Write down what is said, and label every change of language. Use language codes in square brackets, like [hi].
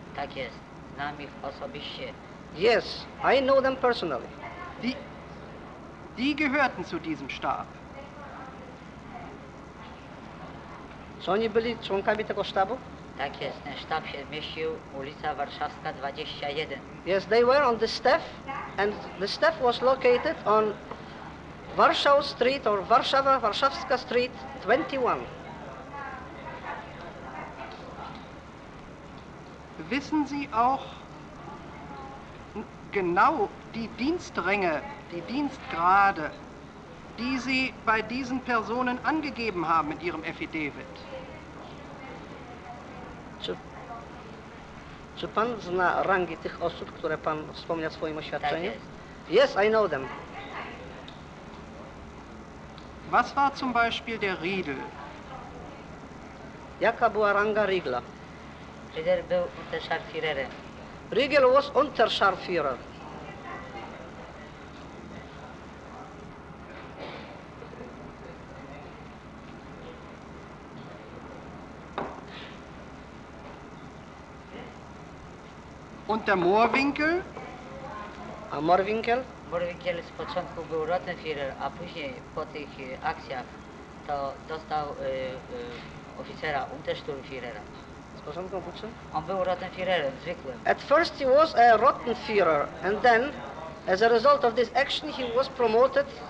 [pl] Tak jest. Znam ich osobiście. [en] Yes, I know them personally. [de] Die gehörten zu diesem Stab. [pl] Czy oni byli członkami tego sztabu? Tak jest, ten sztab się mieścił, ulica Warszawska 21. [en] Yes, they were on the staff, and the staff was located on Warsaw Street, or Warszawa, Warszawska Street 21. [de] Wissen Sie auch genau die Dienstränge, die Dienstgrade, die Sie bei diesen Personen angegeben haben in Ihrem Affidavit? [pl] Czy pan zna rangi tych osób, które pan wspomniał w swoim oświadczeniu? Tak jest. [en] Yes, I know them. [de] Was war zum Beispiel der Riedel? [pl] Jaka była ranga Riegla? Riedel był Unterscharführerem. [en] Riegel was Unterscharführer. [de] Und der Moorwinkel? [pl] A Moorwinkel? Moorwinkel z początku był Rottenführer, a później po tych akcjach to dostał oficera Untersturmführera. Z początku po czym? On był Rottenführerem, zwykłym. [en] At first he was a Rottenführer, and then, as a result of this action, he was promoted